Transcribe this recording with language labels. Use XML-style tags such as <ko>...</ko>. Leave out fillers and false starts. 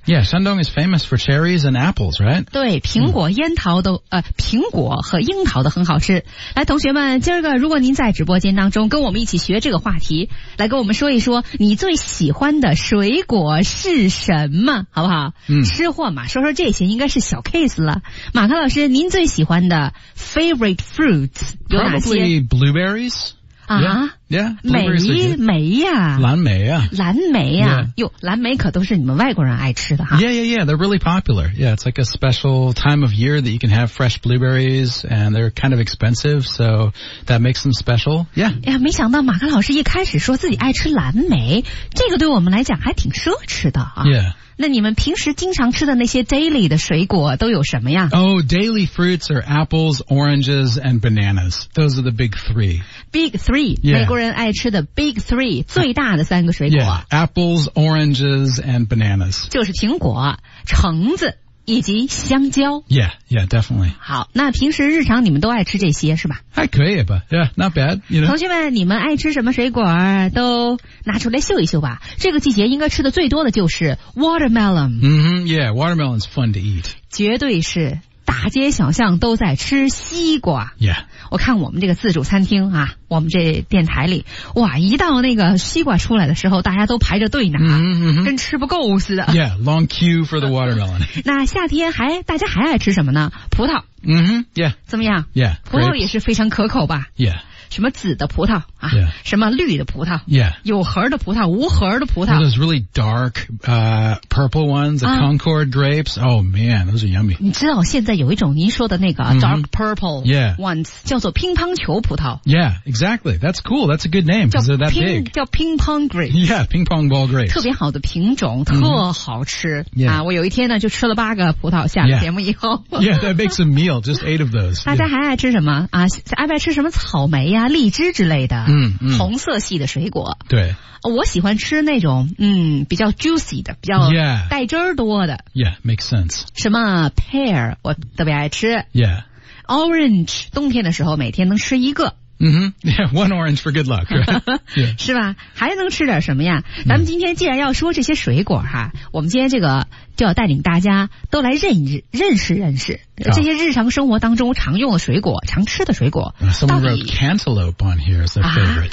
<en>Yeah, 山东 is famous for cherries and apples, right?</en> <zh>对，苹果、樱桃都苹果和樱桃的很好吃。来，同学们，今儿个如果您在直播间当中跟我们一起学这个话题，来跟我们说一说你最喜欢的水果是什么，好不好？吃货嘛，说说这些应该是小 case 了。马克老师，您最喜欢的</zh> <en>favorite fruits</en> <zh>有哪些？</zh> <en>Probably blueberries.</en> <zh>啊？</zh> <en>Yeah,</en> <zh>梅啊，蓝莓啊。哟，蓝莓可都是你们外国人爱吃的哈。</zh> <en>Yeah, they're really popular. Yeah, it's like a special time of year that you can have fresh blueberries, and they're kind of expensive, so that makes them special. Yeah.</en> <zh>没想到马克老师一开始说自己爱吃蓝莓，这个对我们来讲还挺奢侈的啊。</zh> <en>Yeah.</en> <zh>那你们平时经常吃的那些 daily 的水果都有什么呀？</zh> <en>Oh, daily fruits are apples, oranges, and bananas. Those are the big three. Big three. Yeah.</en> <zh>美国人爱吃的</zh> <en>big three</en> <zh>最大的三个水果</zh> <en>apples, oranges, and bananas</en> <zh>就是苹果、橙子以及香蕉</zh> <en>yeah, definitely</en> <zh>好，那平时日常你们都爱吃这些是吧？还可以吧</zh> <en>yeah, not bad you know.</en> <zh>同学们，你们爱吃什么水果都拿出来秀一秀吧，这个季节应该吃的最多的就是 watermelon、</zh> <en>yeah, watermelon's fun to eat</en> <zh>绝对是大街小巷都在吃西瓜</zh> <en>Yeah.</en> <zh>我看我们这个自助餐厅啊，我们这电台里，哇，一到那个西瓜出来的时候，大家都排着队呢，跟吃不够似的。</zh> <en>Yeah, long queue for the watermelon.</en> <zh>那夏天还，大家还爱吃什么呢？葡萄。</zh> <en>Yeah.</en> <zh>怎么样？</zh> <en>Yeah.</en> <zh>葡萄也是非常可口吧？</zh> <en>Yeah.</en> <zh>什么紫的葡萄啊？</zh> <en>Yeah.</en> <zh>什么绿的葡萄？</zh> <en>Yeah.</en> <zh>有核的葡萄，无核的葡萄。</zh> <en>Well, those really dark, purple ones, the Concord grapes. Oh man, those are yummy.</en> <zh>你知道现在有一种您说的那个</zh> <en>dark purple ones,</en> <zh>叫做乒乓球葡萄。</zh> <en>Yeah, exactly. That's cool. That's a good name because they're that big.</en> <zh>叫乒乓 grapes.</zh> <en>Yeah, ping pong ball grapes.</en> <zh>特别好的品种，特好吃。</zh> <en>Yeah.</en> <zh>啊，我有一天呢就吃了八个葡萄，下了节目以后。</zh> <en>Yeah, that makes a meal, just eight of those.</en> <zh>大家还爱吃什么？啊，爱不爱吃什么草莓呀？荔枝之类的红色系的水果对我喜欢吃那种比较 juicy 的比较带汁儿多的</zh> <en>yeah makes sense</en> <zh>什么 pear 我特别爱吃</zh> <en>yeah</en> <zh>orange 冬天的时候每天能吃一个</zh> <en>one orange for good luck、right? yeah.</en> <zh>是吧还能吃点什么呀咱们今天既然要说这些水果哈我们今天这个就要带领大家都来认识这些日常生活当中常用的水果常吃的水果</zh> <en>Someone wrote cantaloupe on here as their favorite、</en>